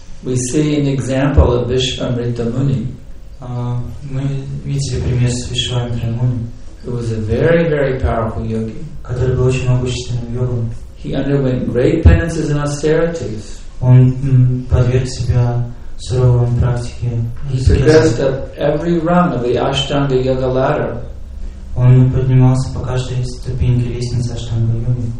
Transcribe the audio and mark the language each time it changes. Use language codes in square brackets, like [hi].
[en] We see an example of Vishvamrita Muni. [ru] Мы видели пример с Вишвамитра Муни. [en] Who was a very, very powerful yogi. [ru] Который был очень могущественным йогом. [en] He underwent great penances and austerities. [ru] Он подверг себя суровым практике. [en] He progressed up every rung of the Ashtanga Yoga ladder. [ru] Он поднимался по каждой ступеньке лестницы Аштанга Йоги.